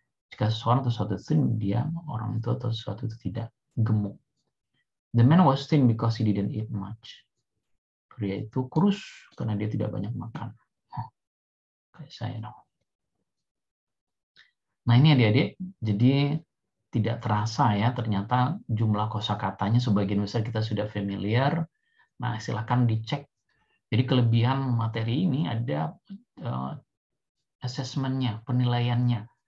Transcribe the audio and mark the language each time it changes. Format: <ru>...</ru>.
<id>Jika seseorang atau sesuatu thin, dia orang itu atau sesuatu itu tidak gemuk.</id> <en>The man was thin because he didn't eat much.</en> <id>Pria itu kurus karena dia tidak banyak makan. Kayak saya dong. Nah ini adik-adik, jadi tidak terasa ya, ternyata jumlah kosakatanya sebagian besar kita sudah familiar. Nah, silakan dicek. Jadi kelebihan materi ini ada assessment-nya, penilaiannya.</id>